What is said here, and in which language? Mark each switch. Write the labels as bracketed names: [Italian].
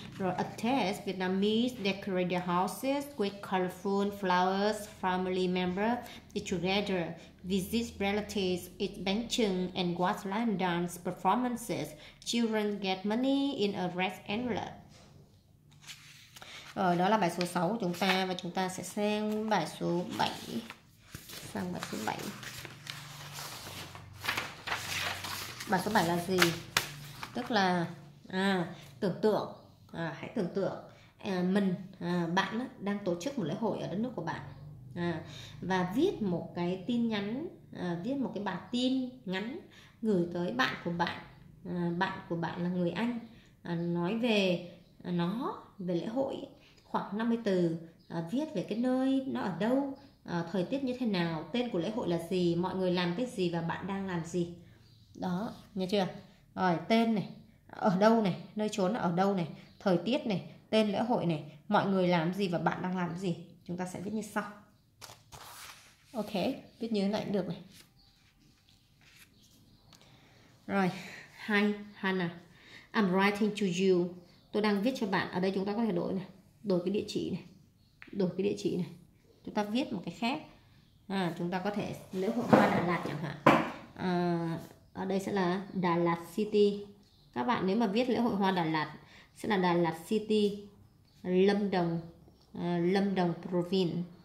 [English] Rồi at Tết, Vietnamese decorate their houses with colorful flowers, family members eat together, visit relatives, eat banchung and watch line dance performances. Children get money in a red envelope. [Vietnamese] Rồi đó là bài số 6 của chúng ta và chúng ta sẽ sang bài số 7. Sang bài số 7. Bài số 7 là gì? Tức là tưởng tượng, hãy tưởng tượng mình, bạn đang tổ chức một lễ hội ở đất nước của bạn, và viết một cái tin nhắn, viết một cái bản tin ngắn gửi tới bạn của bạn. Bạn của bạn là người Anh, nói về nó, về lễ hội, khoảng 50 từ, viết về cái nơi nó ở đâu, thời tiết như thế nào, tên của lễ hội là gì, mọi người làm cái gì và bạn đang làm gì. Đó, nghe chưa? Rồi tên này, ở đâu này, nơi chốn ở đâu này, thời tiết này, tên lễ hội này, mọi người làm gì và bạn đang làm gì. Chúng ta sẽ viết như sau. Ok, viết như thế này cũng được này. [English] Rồi, hi Hannah, I'm writing to you. [Vietnamese] Tôi đang viết cho bạn. Ở đây chúng ta có thể đổi này, đổi cái địa chỉ này, đổi cái địa chỉ này. Chúng ta viết một cái khác. Chúng ta có thể lễ hội hoa Đà Lạt chẳng hạn. Ở đây sẽ là Đà Lạt City. Các bạn nếu mà viết lễ hội hoa Đà Lạt sẽ là Đà Lạt City, Lâm Đồng, Lâm Đồng Province.